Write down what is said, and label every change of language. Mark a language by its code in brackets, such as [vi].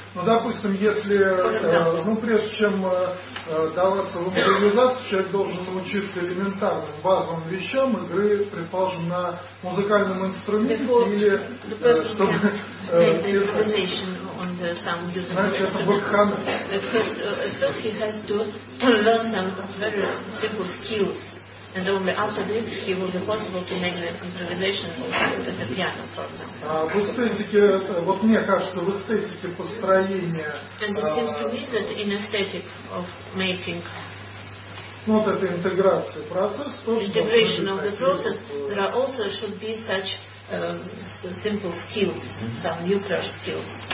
[ru] Ну, допустим, если, прежде чем даваться в импровизацию, человек должен научиться элементарным базовым вещам игры, предположим, на музыкальном инструменте или чтобы. Значит, это бакхан. [en] First, he has to learn some very simple skills, and only after this he will be possible to make an improvisation with the piano, for example. [ru] В эстетике, вот мне кажется, в эстетике построения. [en] And it seems to me that in aesthetic of making. [ru] Ну, вот это интеграция процесс. [en] Integration of the process. There also should be such simple skills, some nuclear skills.